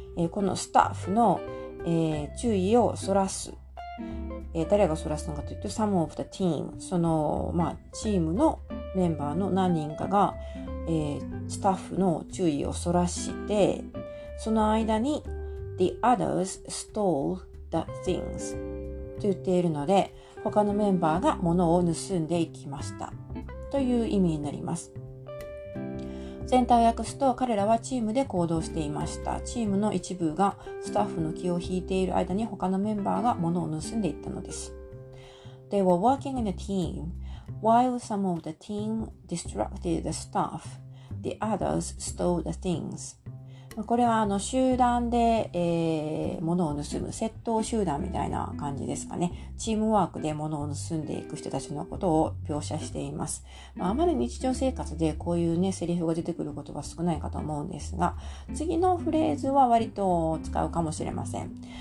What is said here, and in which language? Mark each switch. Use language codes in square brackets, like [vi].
[ja] このスタッフの、注意をそらす、誰がそらすのかというと、 [en] some of the team、 [ja] その、まあ、チームのメンバーの何人かが、スタッフの注意をそらして、その間に [en] the others stole the things [ja] と言っているので、他のメンバーが物を盗んでいきましたという意味になります。全体を訳すと、彼らはチームで行動していました。チームの一部がスタッフの気を引いている間に他のメンバーが物を盗んでいったのです。 [en] They were working in a team. While some of the team distracted the staff, the others stole the things. [ja] これは集団で、物を盗む、窃盗集団みたいな感じですかね。チームワークで物を盗んでいく人たちのことを描写しています。あまり日常生活でこういうね、セリフが出てくることは少ないかと思うんですが、次のフレーズは割と使うかもしれません。